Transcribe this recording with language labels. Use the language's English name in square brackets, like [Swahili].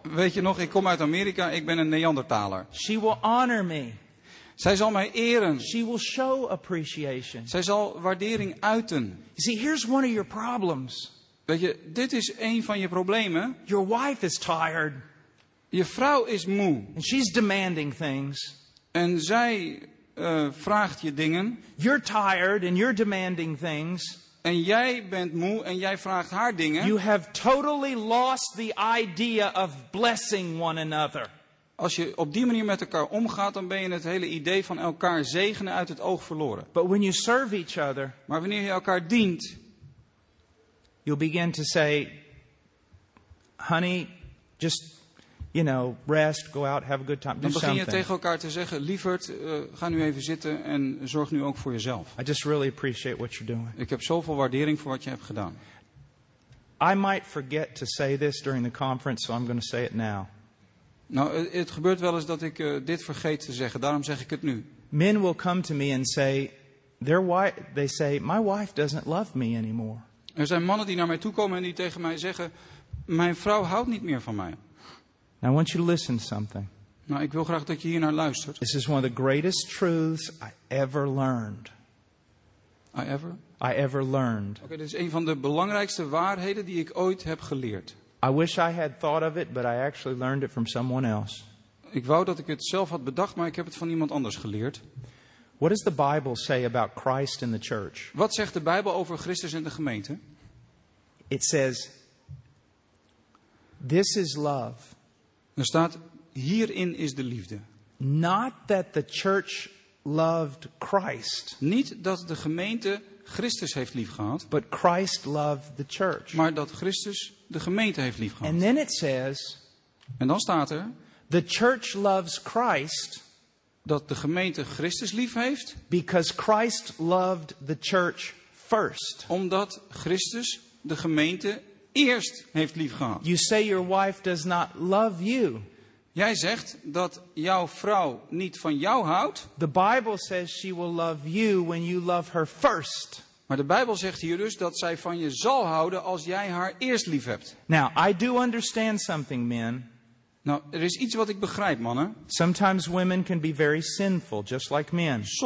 [Dutch] Weet je nog, ik kom uit Amerika, ik ben een Neandertaler. [English] She will honor me. [Dutch] Zij zal mij eren. [English] She will show appreciation. [Dutch] Zij zal waardering uiten. [English] You see, here's one of your problems. [Dutch] Weet je, dit is een van je problemen. [English] Your wife is tired. [Dutch] Je vrouw is moe. [English] And she's demanding things. [Dutch] En zij vraagt je dingen. [English] You're tired and you're demanding things. [Dutch] En jij bent moe en jij vraagt haar dingen. [English] You have totally lost the idea of blessing one another. [Dutch] Als je op die manier met elkaar omgaat, dan ben je het hele idee van elkaar zegenen uit het oog verloren. [English] But when you serve each other, [Dutch] maar wanneer je elkaar dient, [English] you'll begin to say, honey, just, you know, rest, go out, have a good time. [Dutch] Dan begin je tegen elkaar te zeggen, lieverd, ga nu even zitten en zorg nu ook voor jezelf. [English] I just really appreciate what you're doing. [Dutch] Ik heb zoveel waardering voor wat je hebt gedaan. [English] I might forget to say this during the conference, so I'm going to say it now. [Dutch] Nou, het gebeurt wel eens dat ik dit vergeet te zeggen, daarom zeg ik het nu. [English] Men will come to me and say, they say, my wife doesn't love me anymore. [Dutch] Er zijn mannen die naar mij toe komen en die tegen mij zeggen, mijn vrouw houdt niet meer van mij. [English] I want you to listen to something. [Dutch] Nou, ik wil graag dat je hier naar luistert. [English] This is one of the greatest truths I ever learned. I ever learned. [Dutch] Oké, dit is een van de belangrijkste waarheden die ik ooit heb geleerd. [English] I wish I had thought of it, but I actually learned it from someone else. [Dutch] Ik wou dat ik het zelf had bedacht, maar ik heb het van iemand anders geleerd. [English] What does the Bible say about Christ and the church? [Dutch] Wat zegt de Bijbel over Christus en de gemeente? [English] It says, "This is love." [Dutch] Er staat: hierin is de liefde. [English] Not that the church loved Christ. [Dutch] Niet dat de gemeente Christus heeft lief gehad, [English] but Christ loved the church. [Dutch] Maar dat Christus de gemeente heeft lief gehad. [English] And then it says, [Dutch] en dan staat er: [English] the church loves Christ. [Dutch] Dat de gemeente Christus lief heeft. [English] Because Christ loved the church first. [Dutch] Omdat Christus de gemeente eerst heeft lief gehad. [English] You say your wife does not love you. [Dutch] Jij zegt dat jouw vrouw niet van jou houdt. [English] The Bible says she will love you when you love her first. [Dutch] Maar de Bijbel zegt hier dus dat zij van je zal houden als jij haar eerst lief hebt. [English] Now, I do understand something, men. [Dutch] Nou, er is iets wat ik begrijp, mannen. [English] Sometimes women can be very sinful, just like men.